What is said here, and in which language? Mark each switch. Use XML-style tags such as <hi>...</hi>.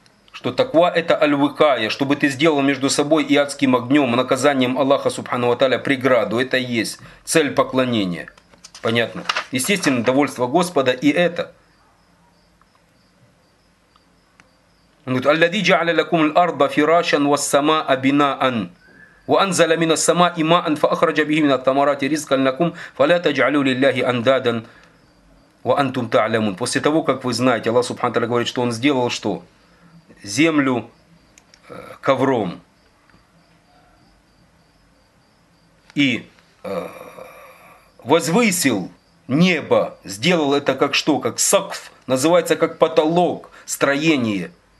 <ru>Что таква это аль-викая, чтобы ты сделал между собой и адским огнем, наказанием Аллаха Субхану Ва Тааля преграду. Это и есть цель поклонения. Понятно? Естественно, довольство Господа и это. Он говорит,</ru> <ar>«Алляди джа'аля лакум аль-арда фирашан вас-самаа бинаан». وأنزل من السماء ماء فأخرج به من الثمرات رزقا لكم فلا تجعلوا لله أندادا وأنتم تعلمون.</ar> <ru>После того, как вы знаете, Аллах Субхану Ва Тааля говорит, что Он сделал что? Землю ковром и возвысил небо, сделал это как что, как сакф, называется как потолок, строение.</ru>